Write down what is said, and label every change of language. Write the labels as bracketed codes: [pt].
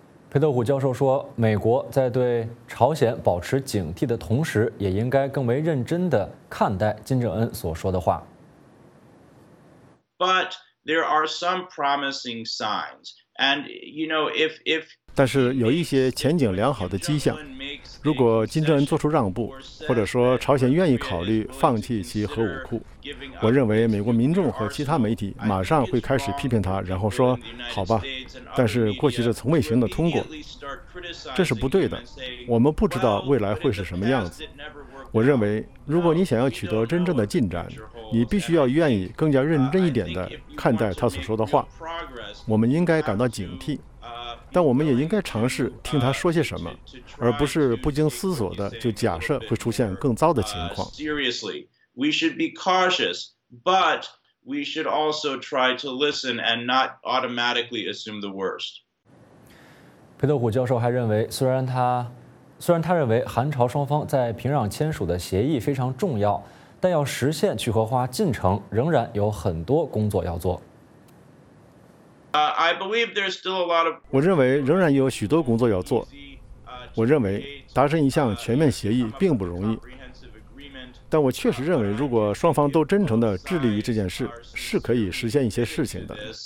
[zh] 裴斗虎教授说，美国在对朝鲜保持警惕的同时，也应该更为认真地看待金正恩所说的话。 [en] But there are some promising signs, and you know, if [zh] 但是有一些前景良好的迹象。如果金正恩做出让步，或者说朝鲜愿意考虑放弃其核武库，我认为美国民众和其他媒体马上会开始批评他，然后说：“好吧。” 但是过去这从未行得通过，这是不对的。我们不知道未来会是什么样子。我认为，如果你想要取得真正的进展，你必须要愿意更加认真一点地看待他所说的话。我们应该感到警惕，但我们也应该尝试听他说些什么，而不是不经思索的就假设会出现更糟的情况。 [en] Seriously, we should be cautious, but we should also try to listen and not automatically assume the worst. [zh] 佩德虎教授还认为，虽然他认为韩朝双方在平壤签署的协议非常重要，但要实现去核化进程，仍然有很多工作要做。我认为仍然有许多工作要做。我认为达成一项全面协议并不容易，但我确实认为，如果双方都真诚地致力于这件事，是可以实现一些事情的。